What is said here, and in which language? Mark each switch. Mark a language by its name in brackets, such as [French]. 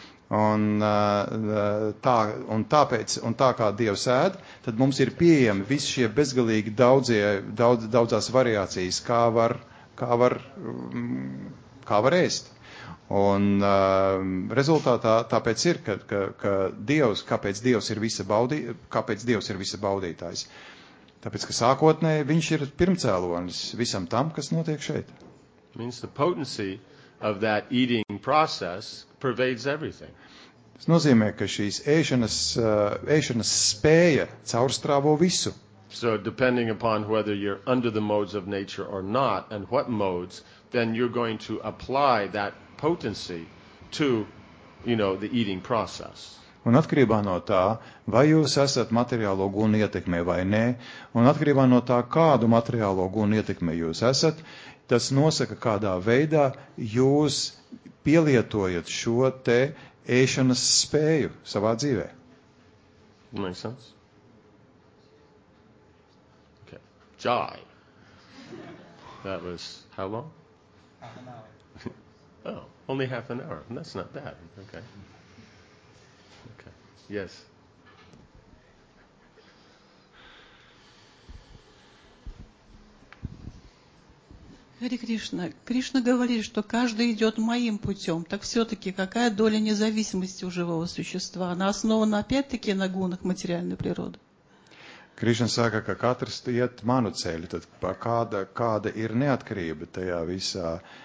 [Latvian] Un, tā kā Dievs ēd, tad mums ir pieejami visi šie bezgalīgi daudzās variācijas, kā var ēst. Un rezultātā tāpēc ir, ka Dievs, kāpēc Dievs ir visa baudītājs? Tāpēc, ka sākotnē viņš ir pirmcēlonis visam tam, kas notiek šeit. [English] Means the potency of that eating process pervades everything. [Latvian] Tas nozīmē, ka šīs ēšanas spēja caurstrāvo visu. [English] So depending upon whether you're under the modes of nature or not, and what modes, then you're going to apply that potency to, you know, the eating process. [Latvian] Un atkarībā no tā, vai jūs esat materiālo guļu ietekmē vai nē, un atkarībā no tā, kādu materiālo guļu ietekmē jūs esat, tas nosaka, kādā veidā jūs pielietojat šo te ēšanas spēju savā dzīvē. [English] Makes sense? Okay. Jai. That was how long? Oh, only half an hour. That's not bad. Okay. Okay. Yes. Hare Krishna. [Russian] Krishna говорит, что каждый идет моим путем. Так все-таки какая доля независимости у живого существа? Она основана опять-таки на гунах материальной природы. [Latvian] Krišana saka, ka katrs iet manu ceļu, tad kāda ir neatkarība tajā visā.